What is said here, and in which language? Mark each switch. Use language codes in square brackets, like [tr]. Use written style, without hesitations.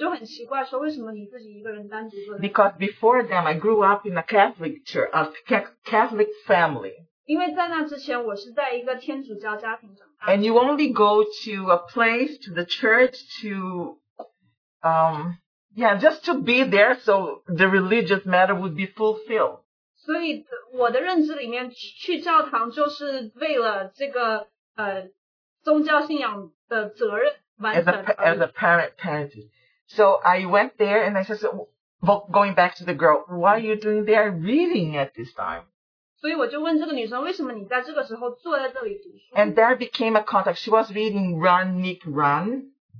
[zh] 但是当时有一个长得很漂亮的女生，但她自己一个人坐在角落，没有出去，然后在看书。我就很奇怪，说为什么你自己一个人单独坐在。 [en] Because before them, I grew up in a Catholic church, a Catholic family. [zh] 因为在那之前，我是在一个天主教家庭长大。 [en] And you only go to a place, to the church, to Yeah, just to be there so the religious matter would be fulfilled. [zh] 所以我的认知里面去教堂就是为了这个宗教信仰的责任完成。 [en] As a parent. So I went there and I said, going back to the girl, why are you doing there reading at this time? [zh] 所以我就问这个女生为什么你在这个时候坐在这里读书? [en] And there became a contact. She was reading Run, Nick, Run.